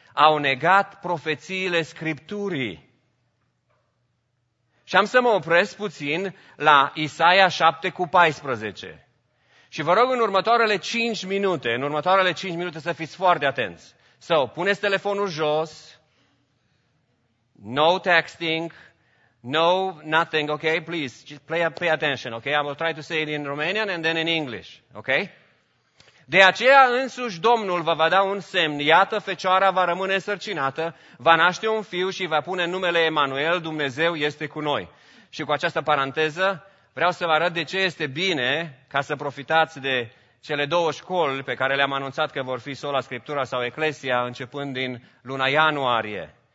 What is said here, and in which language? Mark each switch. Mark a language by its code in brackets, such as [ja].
[ro] Au negat profețiile Scripturii. Și am să mă opresc puțin la Isaia 7:14. Și vă rog în următoarele 5 minute să fiți foarte atenți. Să puneți telefonul jos, [en] no texting, no nothing, ok? Please, just pay attention, ok? I will try to say it in Romanian and then in English, ok? [ro] De aceea însuși Domnul vă va da un semn, iată, Fecioara va rămâne însărcinată, va naște un fiu și va pune numele Emanuel, Dumnezeu este cu noi. Și cu această paranteză vreau să vă arăt de ce este bine ca să profitați de cele două școli pe care le-am anunțat că vor fi Sola Scriptura sau Ecclesia începând din luna ianuarie.